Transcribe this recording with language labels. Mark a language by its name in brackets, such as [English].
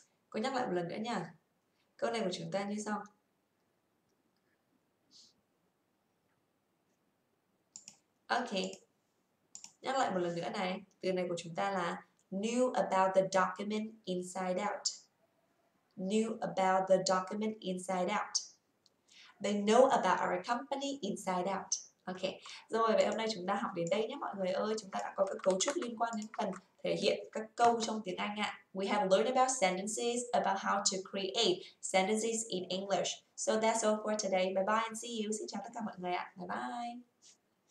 [Vietnamese] Cô nhắc lại một lần nữa nha. Câu này của chúng ta như sau. Ok. Nhắc lại một lần nữa này. Từ này của chúng ta là knew about the document inside out. [English] Knew about the document inside out. They know about our company inside out. [Vietnamese] Ok, rồi vậy hôm nay chúng ta học đến đây nhé mọi người ơi. Chúng ta đã có các cấu trúc liên quan đến phần thể hiện các câu trong tiếng Anh ạ. [English] We have learned about sentences, about how to create sentences in English. So that's all for today. Bye bye and see you. Xin chào tất cả mọi người ạ. Bye bye.